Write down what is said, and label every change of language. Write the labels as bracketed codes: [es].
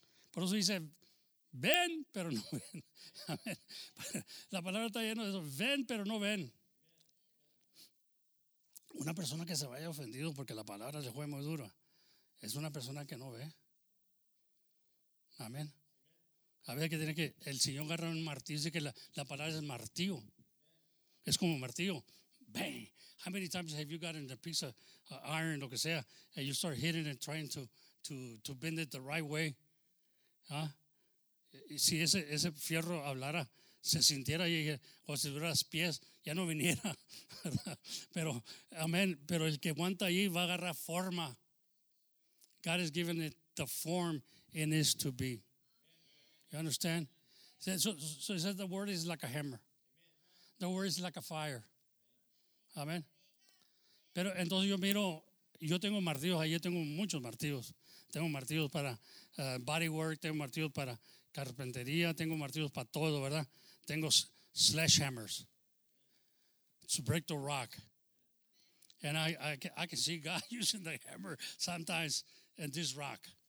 [es] Por eso dice, ven, pero no ven. La palabra está llena de eso, ven, pero no ven. Una persona que se vaya ofendido porque la palabra le juega muy duro es una persona que no ve. Amén. A veces que tiene que, el Señor agarra un martillo, dice que la palabra es martillo. Es como martillo. Bang. [en] How many times have you gotten a piece of iron, [es] lo que sea, [en] and you start hitting it, trying to bend it the right way? ¿Ah? [es] Y si ese fierro hablara, se sintiera y o si tuviera los pies, ya no viniera, ¿verdad? Pero, amén, pero el que aguanta ahí va a agarrar forma. [en] God has given it the form in it to be. You understand? So he said the word is like a hammer. The word is like a fire. Amén. [es] Pero entonces yo miro, yo tengo martillos, ahí yo tengo muchos martillos. Tengo martillos para body work, tengo martillos para carpintería, tengo martillos para todo, ¿verdad? Tengo [en] slash hammers. to break the rock. And I can see God using the hammer sometimes and this rock.